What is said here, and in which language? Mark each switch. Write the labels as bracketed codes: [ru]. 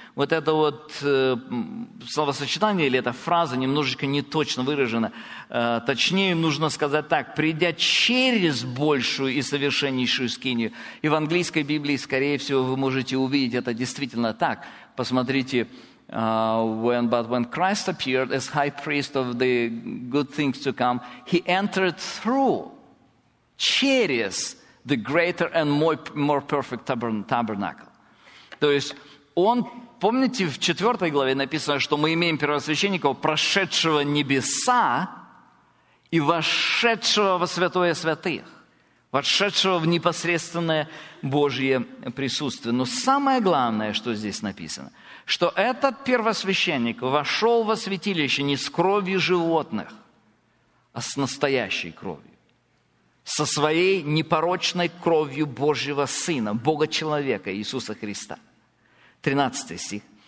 [ru] Вот это вот словосочетание или эта фраза немножечко неточно выражена. Точнее, нужно сказать так: «Придя через большую и совершеннейшую скинию». И в английской Библии, скорее всего, вы можете увидеть это действительно так. Посмотрите. [en] When Christ appeared as high priest of the good things to come, he entered through, через the greater and more perfect tabernacle. [ru] То есть, он, помните, в 4 главе написано, что мы имеем первосвященника, прошедшего небеса и вошедшего во святое святых, вошедшего в непосредственное Божье присутствие. Но самое главное, что здесь написано, что этот первосвященник вошел во святилище не с кровью животных, а с настоящей кровью, со своей непорочной кровью Божьего Сына, Бога-человека, Иисуса Христа. 13 стих.